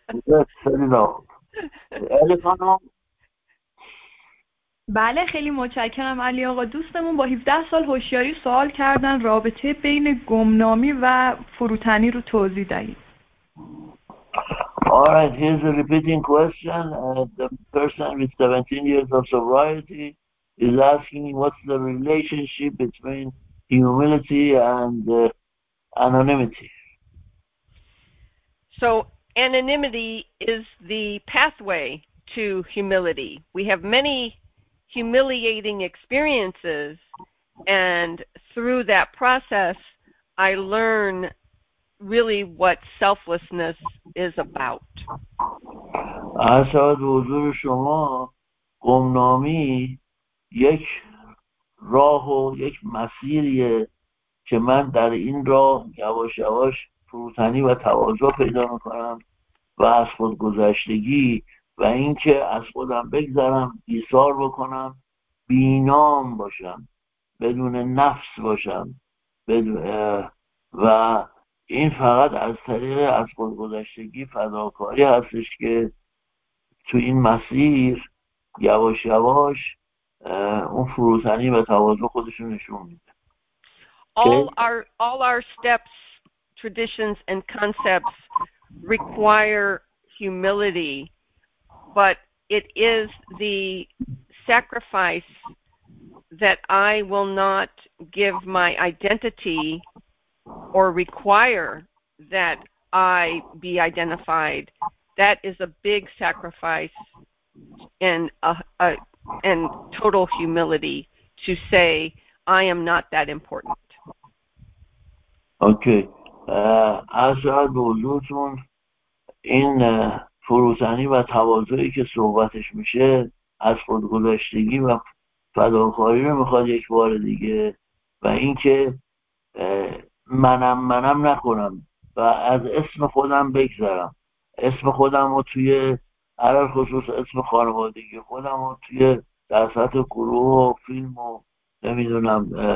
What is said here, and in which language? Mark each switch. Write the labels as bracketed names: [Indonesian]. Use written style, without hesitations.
[English] Yes, says it all. [Persian] بله خیلی متشکرم علی آقا. دوستمون با 17 سال هوشیاری سوال کردن رابطه بین گمنامی و فروتنی رو توضیح دهید. [English] All right, here's a repeating question. The person with 17 years of sobriety is asking what's the relationship between humility and anonymity. So anonymity is the pathway to humility. We have many humiliating experiences, and through that process, I learn really what selflessness is about. [Persian] اساس حضور شما گمنامی یک راه و یک مسیریه که من در این راه یواش یواش فروتنی و تواضع پیدا میکنم و از خود گذشتگی و اینکه از خودم بگذرم، ایثار بکنم، بینام باشم، بدون نفس باشم، و این فقط از طریق از خودگذشتگی فداکاری هستش که تو این مسیر یواش یواش اون فروتنی و تواضع خودش رو نشون میده. [English] All our steps, traditions and concepts require humility. But it is the sacrifice that I will not give my identity or require that I be identified. That is a big sacrifice and a total humility to say I am not that important. Okay. As I told you, in [Persian] فروتنی و تواضعی که صحبتش میشه از خودگذشتگی و فداکاری رو میخواد یک بار دیگه و اینکه منم منم نکنم و از اسم خودم بگذرم، اسم خودم رو توی علل خصوص اسم خانوادگی خودم رو توی در سطح گروه و فیلم و نمیدونم